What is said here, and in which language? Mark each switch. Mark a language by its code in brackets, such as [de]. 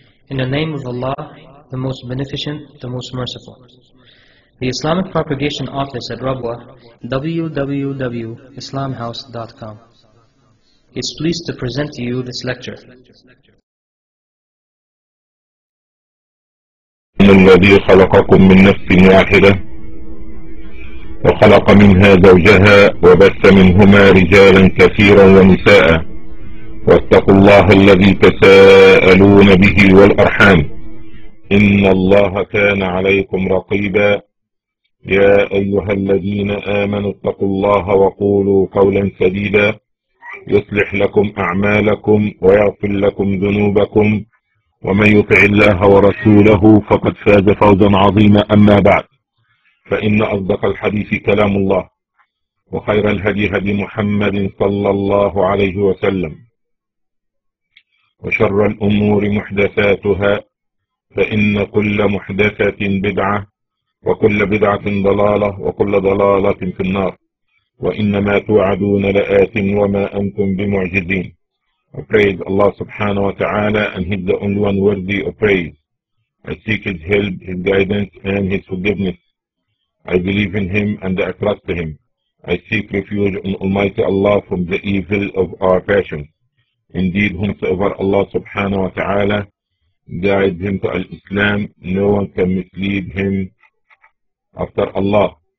[en] In the name of Allah, the most beneficent, the most merciful. The Islamic Propagation Office at Rabwa, www.islamhouse.com. It's pleased to present to you this lecture. [ar] الذي خلقكم من نفس واحدة وخلق منها زوجها وبث منهما رجالا كثيرا ونساء واتقوا الله الذي تساءلون به والأرحام إن الله كان عليكم رقيبا يا أيها الذين آمنوا اتقوا الله وقولوا قولا سديدا يصلح لكم أعمالكم ويغفر لكم ذنوبكم ومن يطع الله ورسوله فقد فاز فوزا عظيما أما بعد فإن أصدق الحديث كلام الله وخير الهدي هدي محمد صلى الله عليه وسلم وشر الأمور محدثاتها فإن كل محدثة بدعة وكل بدعة ضلالة وكل ضلالة في النار وإنما توعدون لآت وما أنتم بمعجزين. [en] I praise Allah subhanahu wa ta'ala and He's the only one worthy of praise. I seek His help, His guidance and His forgiveness. I believe in Him and I trust Him. I seek refuge in Almighty Allah from the evil of our passions. Indeed, whomsoever Allah subhanahu wa ta'ala guides him to Al-Islam, no one can mislead him after Allah.